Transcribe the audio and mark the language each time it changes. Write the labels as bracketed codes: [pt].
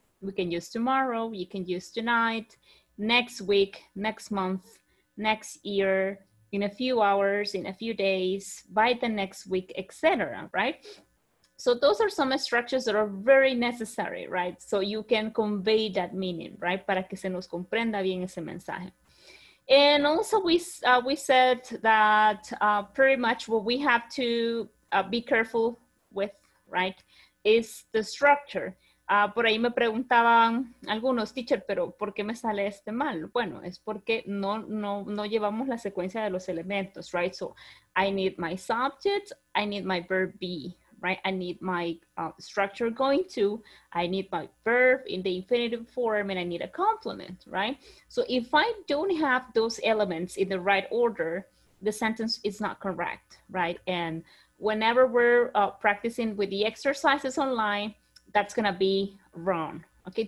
[en] We can use tomorrow, you can use tonight, next week, next month, next year, in a few hours, in a few days, by the next week, etc., right? So those are some structures that are very necessary, right? So you can convey that meaning, right? [es] Para que se nos comprenda bien ese mensaje. [en] And also we said that pretty much what we have to be careful with, right, is the structure. [es] Por ahí me preguntaban algunos, teacher, pero ¿por qué me sale este mal? Bueno, es porque no llevamos la secuencia de los elementos, right? [en] So I need my subject, I need my verb be, right? I need my structure going to, I need my verb in the infinitive form, and I need a complement, right? So if I don't have those elements in the right order, the sentence is not correct, right? And whenever we're practicing with the exercises online, that's gonna be wrong, okay?